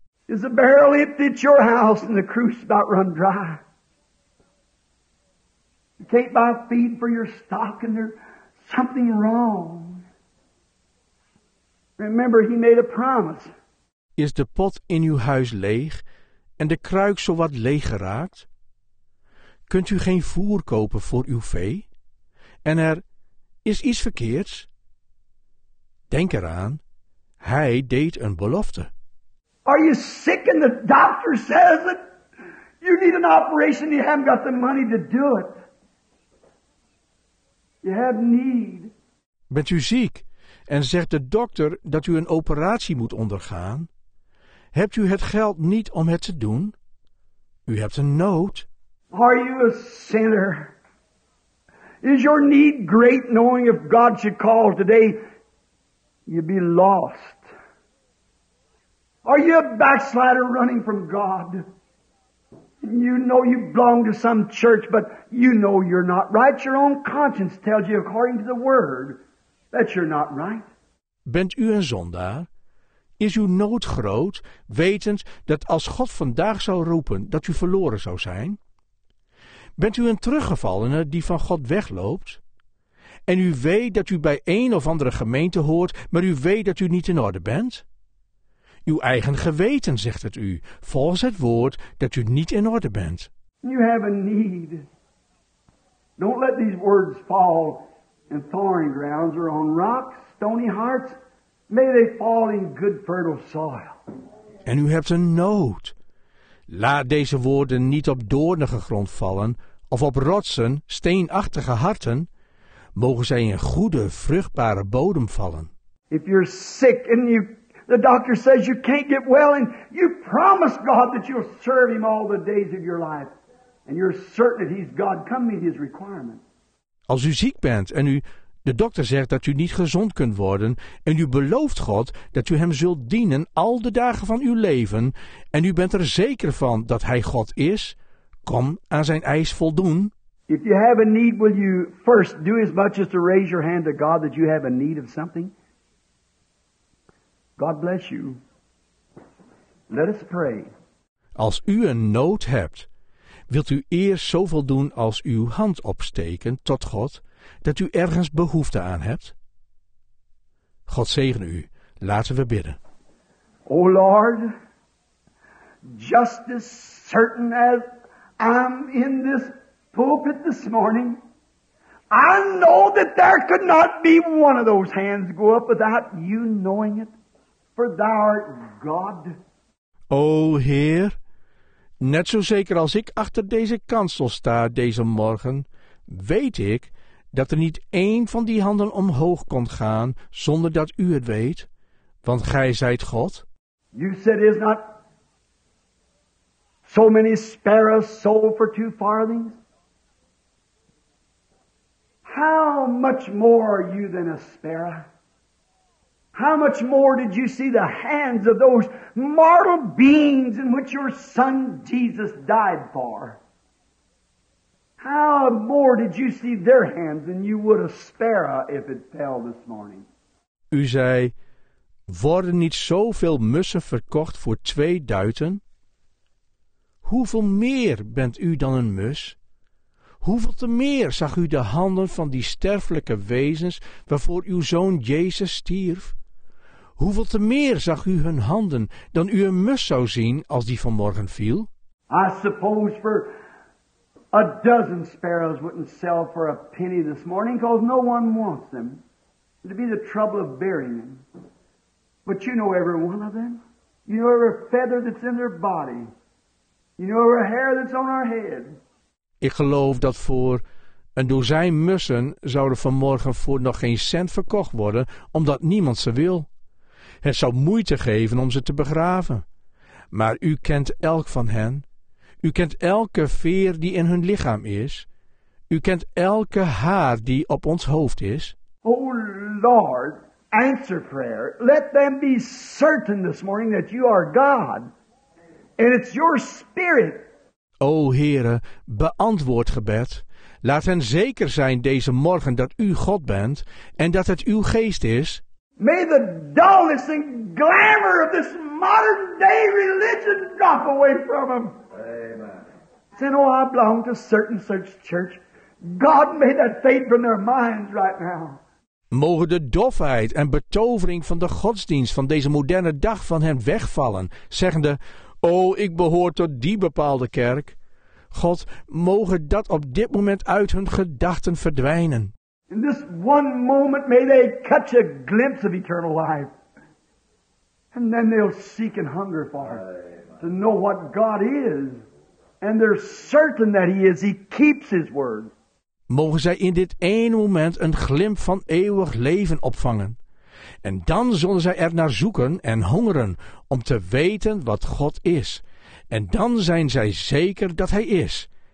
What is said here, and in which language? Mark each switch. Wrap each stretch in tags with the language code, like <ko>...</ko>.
<en>Is the barrel empty at your house and the crew's about run dry? You can't buy feed for your stock and there's something wrong. Remember, he made a promise.</en> <nl>Is de pot in uw huis leeg en de kruik zowat leeg geraakt? Kunt u geen voer kopen voor uw vee? En er is iets verkeerds? Denk eraan, hij deed een belofte.</nl> <en>Are you sick and the doctor says it? You need an operation, you haven't got the money to do it. You have need.</en> <nl>Bent u ziek en zegt de dokter dat u een operatie moet ondergaan? Hebt u het geld niet om het te doen? U hebt een nood.</nl> <en>Are you a sinner? Is your need great knowing if God should call today, you'd be lost? Are you a backslider running from God? You know you belong to some church, but you know you're not right. Your own conscience tells you according to the word that you're not right.</en> <nl>Bent u een zondaar? Is uw nood groot, wetend dat als God vandaag zou roepen dat u verloren zou zijn? Bent u een teruggevallene die van God wegloopt? En u weet dat u bij een of andere gemeente hoort, maar u weet dat u niet in orde bent? Uw eigen geweten zegt het u, volgens het woord dat u niet in orde bent.</nl> <en>You have a need. Don't let these words fall in thorny grounds or on rocks, stony hearts. May they fall in good fertile soil.</en> <nl>En u hebt een nood. Laat deze woorden niet op doornige grond vallen of op rotsen, steenachtige harten. Mogen zij in goede, vruchtbare bodem vallen.</nl> <en>If you're sick and you... The doctor says you can't get well and you promise God that you'll serve him all the days of your life. And you're certain that he's God. Come meet his requirement.</en> <nl>Als u ziek bent en u, de dokter zegt dat u niet gezond kunt worden en u belooft God dat u hem zult dienen al de dagen van uw leven en u bent er zeker van dat hij God is, kom aan zijn eis voldoen.</nl> <en>If you have a need, will you first do as much as to raise your hand to God that you have a need of something? God bless you. Let us pray.</en> <nl>Als u een nood hebt, wilt u eerst zoveel doen als uw hand opsteken tot God, dat u ergens behoefte aan hebt? God zegen u. Laten we bidden.</nl> <en>O Lord, just as certain as I'm in this pulpit this morning, I know that there could not be one of those hands go up without you knowing it. For thou art God.</en> <nl>O Heer, net zo zeker als ik achter deze kansel sta deze morgen, weet ik dat er niet één van die handen omhoog kon gaan zonder dat u het weet, want gij zijt God.</nl> <en>You said is not so many sparrows sold for two farthings? How much more are you than a sparrow? How much more did you see the hands of those mortal beings in which your son Jesus died for? How more did you see their hands than you would a sparrow if it fell this morning?</en> <nl>U zei, worden niet zoveel mussen verkocht voor 2 duiten? Hoeveel meer bent u dan een mus? Hoeveel te meer zag u de handen van die sterfelijke wezens waarvoor uw zoon Jezus stierf? Hoeveel te meer zag u hun handen dan u een mus zou zien als die vanmorgen viel?</nl> <en>I suppose for a dozen sparrows wouldn't sell for a penny this morning, because no one wants them. It'd be the trouble of burying them. But you know every one of them. You know every feather that's in their body. You know every hair that's on our head.</en> <nl>Ik geloof dat voor een dozijn mussen zouden vanmorgen voor nog geen cent verkocht worden, omdat niemand ze wil. Het zou moeite geven om ze te begraven. Maar u kent elk van hen. U kent elke veer die in hun lichaam is. U kent elke haar die op ons hoofd is.</nl> <en>O Lord, answer prayer. Let them be certain this morning that you are God. And it's your spirit.</en> <nl>O Heere, beantwoord gebed. Laat hen zeker zijn deze morgen dat u God bent en dat het uw geest is.</nl> <en>May the dullness and glamour of this modern day religion drop away from them. Amen. Say, I belong to certain such church. God, may that fade from their minds right now.</en> <nl>Mogen de dofheid en betovering van de godsdienst van deze moderne dag van hen wegvallen, zeggende, ik behoor tot die bepaalde kerk. God, mogen dat op dit moment uit hun gedachten verdwijnen.</nl> <en>In this one moment may they catch a glimpse of eternal life. And then they'll seek and hunger for it. To know what God is. And they're certain that he is. He keeps his word.</en> <nl>Mogen zij in dit één moment een glimp van eeuwig leven opvangen. En dan zullen zij er naar zoeken en hongeren om te weten wat God is. En dan zijn zij zeker dat hij is.</nl>